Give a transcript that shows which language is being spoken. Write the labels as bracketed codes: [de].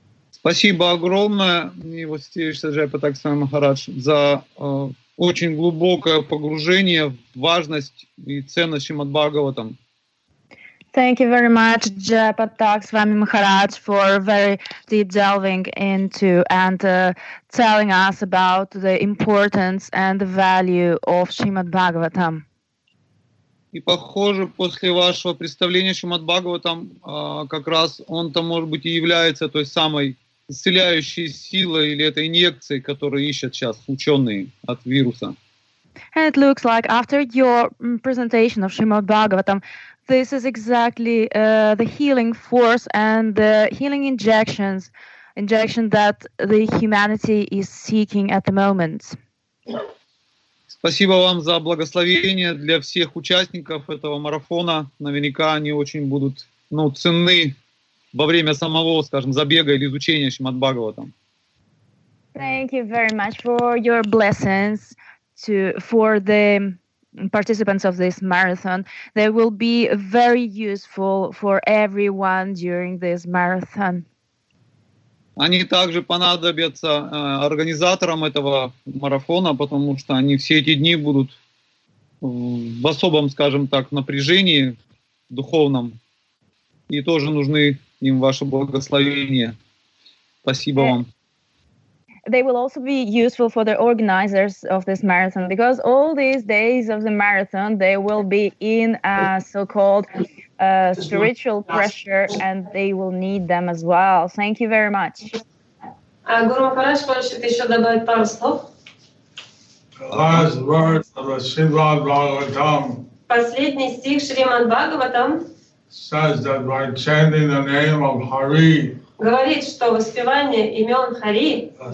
[ru] Спасибо огромное, милостивый Саджай Патаксана Махарадж, за очень глубокое погружение в важность и ценность Шримад-Бхагаватам. [en] Thank you very much, Jai Patak Swami Maharaj, for very deep delving into and telling us about the importance and the value of Shrimad Bhagavatam. [ru] И похоже, после вашего представления Shrimad Bhagavatam, как раз он-то, может быть, и является той самой исцеляющей силой или этой инъекцией, которую ищут сейчас ученые от вируса. [en] And it looks like after your presentation of Shrimad Bhagavatam, this is exactly the healing force and the healing injection that the humanity is seeking at the moment. [ru] Спасибо вам за благословение для всех участников этого марафона. Наверняка они очень будут ценны во время самого, скажем, забега или изучения Шримад-Бхагаватам. [en] Thank you very much for your blessings for the participants of this marathon. They will be very useful for everyone during this marathon. [ru] Они также понадобятся организаторам этого марафона, потому что они все эти дни будут в особом, скажем так, напряжении духовном. И тоже нужны им ваше благословение. Спасибо вам. [en] They will also be useful for the organizers of this marathon, because all these days of the marathon, they will be in a so-called spiritual pressure, and they will need them as well. Thank you very much. [ru] Guru Maharaj, хочет еще добавить пару слов? [en] Last words of Srimad Bhagavatam. [ru] Последний стих Шримад Бхагаватам. [en] Says that by chanting the name of Hari. [ru] Говорит, что воспевание имен Хари.